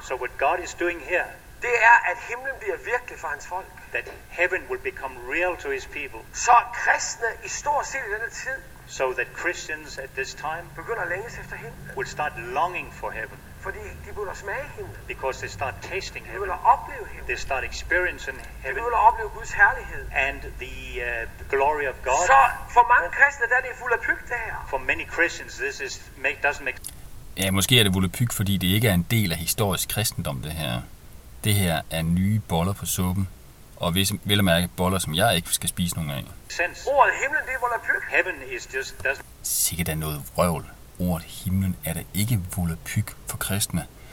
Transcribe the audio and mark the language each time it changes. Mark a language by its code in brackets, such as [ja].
[en] So what God is doing here. [da] Det er at himlen bliver virkelig for hans folk. [en] That heaven will become real to his people. [da] Så kristne i stor stil i denne tid. [en] So that Christians at this time. [da] Begynder at længes efter himlen. [en] Will start longing for heaven. [da] Fordi de begynder at smage himlen. [en] Because they start tasting heaven. [da] De begynder at opleve himlen. [en] They start experiencing heaven. [da] De begynder at opleve Guds herlighed. [en] And the glory of God. [da] Så for mange kristne der er det fuld af pyk det her. [en] For many Christians this is doesn't make. [da] Ja, måske er det fuld af pyk, fordi det ikke er en del af historisk kristendom det her. Det her er nye boller på suppen. Og hvis vel at mærke boller, som jeg ikke skal spise nogen af. Ordet himlen, det er volapyk. [en] Heaven is just doesn't. [da] Sikkert er noget vrøvl. Ordet himlen er da ikke volapyk for kristne.